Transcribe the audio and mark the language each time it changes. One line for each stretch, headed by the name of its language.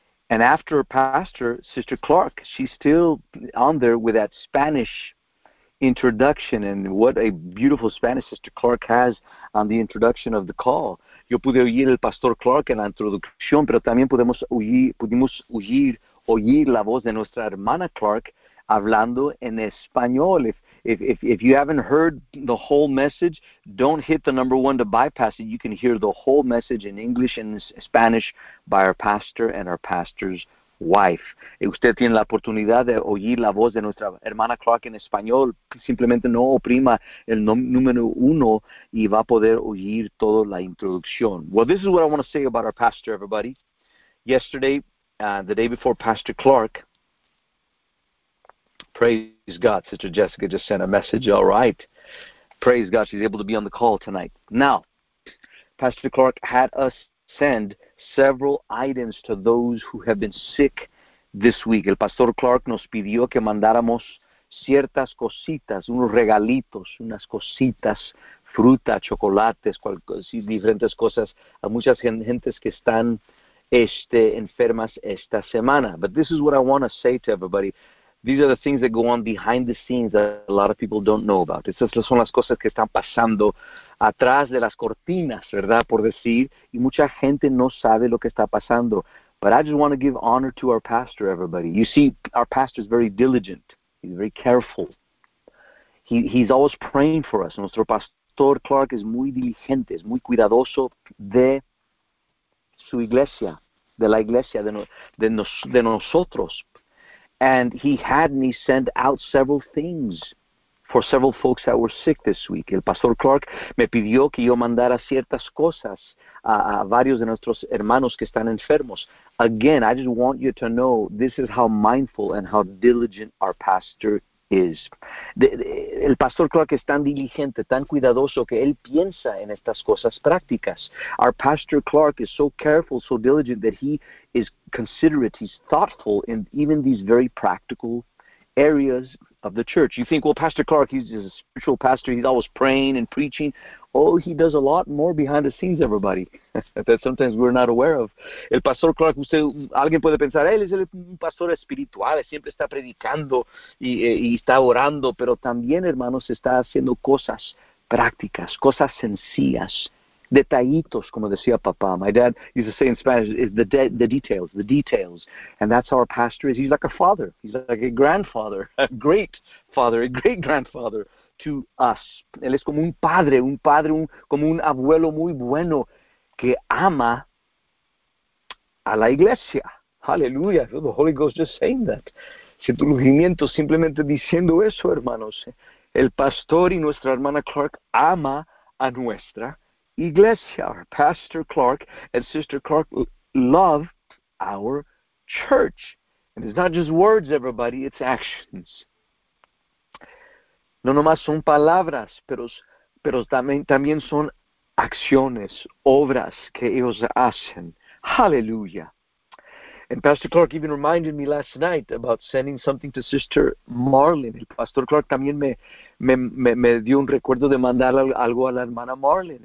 English: And after Pastor, Sister Clark, she's still on there with that Spanish introduction, and what a beautiful Spanish Sister Clark has on the introduction of the call.
Spanish: Yo pude oír el Pastor Clark en la introducción, pero también pudimos oír la voz de nuestra hermana Clark hablando en español.
English: If you haven't heard the whole message, don't hit the number one to bypass it. You can hear the whole message in English and Spanish by our pastor and our pastor's wife.
Spanish: Y usted tiene la oportunidad de oír la voz de nuestra hermana Clark en español. Simplemente no oprima el número uno y va a poder oír toda la introducción.
English: Well, this is what I want to say about our pastor, everybody. Yesterday, the day before Pastor Clark, praise God, Sister Jessica just sent a message. All right. Praise God, she's able to be on the call tonight. Now, Pastor Clark had us send several items to those who have been sick this week.
Spanish: El Pastor Clark nos pidió que mandáramos ciertas cositas, unos regalitos, unas cositas, fruta, chocolates, diferentes cosas, a muchas gentes que están enfermas esta semana.
English: But this is what I want to say to everybody. These are the things that go on behind the scenes that a lot of people don't know about.
Spanish: Estas son las cosas que están pasando atrás de las cortinas, ¿verdad? Por decir, y mucha gente no sabe lo que está pasando.
English: But I just want to give honor to our pastor, everybody. You see, our pastor is very diligent. He's very careful. He's always praying for us.
Spanish: Nuestro pastor Clark es muy diligente, es muy cuidadoso de su iglesia, de la iglesia, de nosotros.
English: And he had me send out several things for several folks that were sick this week.
Spanish: El Pastor Clark me pidió que yo mandara ciertas cosas a varios de nuestros hermanos que están enfermos.
English: Again, I just want you to know this is how mindful and how diligent our pastor is.
Spanish: El Pastor Clark es tan diligente, tan cuidadoso, que él piensa en estas cosas prácticas.
English: Our Pastor Clark is so careful, so diligent, that he is considerate, he's thoughtful in even these very practical areas of the church. You think, well, Pastor Clark, he's just a spiritual pastor, he's always praying and preaching. Oh, he does a lot more behind the scenes, everybody, that sometimes we're not aware of.
Spanish: El Pastor Clark, usted, alguien puede pensar, él es el pastor espiritual, siempre está predicando y está orando, pero también, hermanos, está haciendo cosas prácticas, cosas sencillas, detallitos, como decía papá.
English: My dad used to say in Spanish, is the details. And that's how our pastor is. He's like a father. He's like a grandfather, a great father, a great grandfather to us.
Spanish: Él es como un padre, como un abuelo muy bueno que ama a la iglesia.
English: Hallelujah. I feel the Holy Ghost just saying that.
Spanish: Siento el ungimiento simplemente diciendo eso, hermanos. El pastor y nuestra hermana Clark ama a nuestra iglesia.
English: Our Pastor Clark and Sister Clark love our church. And it's not just words, everybody, it's actions.
Spanish: No nomás son palabras, pero también son acciones, obras que ellos hacen. Hallelujah.
English: And Pastor Clark even reminded me last night about sending something to Sister Marlene.
Spanish: El Pastor Clark también me dio un recuerdo de mandar algo a la hermana Marlene.